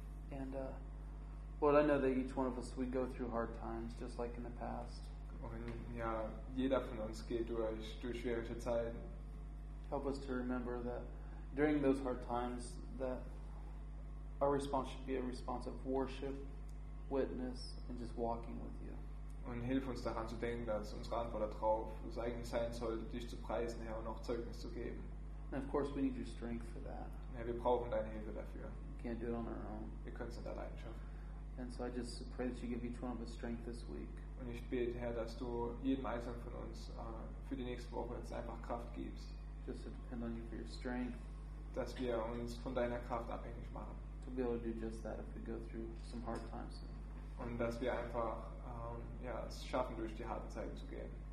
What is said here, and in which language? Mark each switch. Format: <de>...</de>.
<en>And Lord, I know that each one of us, we go through hard times, just like in the past.</en> <de>Und ja, jeder von uns geht durch schwierige Zeiten.</de> <en>Help us to remember that during those hard times, that our response should be a response of worship, witness, and just walking with you.</en> <de>Und hilf uns daran zu denken, dass unsere Antwort darauf das eigentlich sein sollte, dich zu preisen, Herr, und auch Zeugnis zu geben.</de> <en>And of course we need your strength for that.</en> <de>Ja, wir brauchen deine Hilfe dafür.</de> <en>We can't do it on our own.</en> <de>Wir können es nicht allein schaffen.</de> <en>And so I just pray that you give each one of us strength this week.</en> <de>Und ich bete, Herr, dass du jedem Einzelnen von uns für die nächste Woche jetzt einfach Kraft gibst.</de> <en>Just to depend on you for your strength.</en> <de>Dass wir uns von deiner Kraft abhängig machen.</de> <en>To be able to do just that if we go through some hard times.</en> <de>Und dass wir einfach ja, es schaffen, durch die harten Zeiten zu gehen.</de>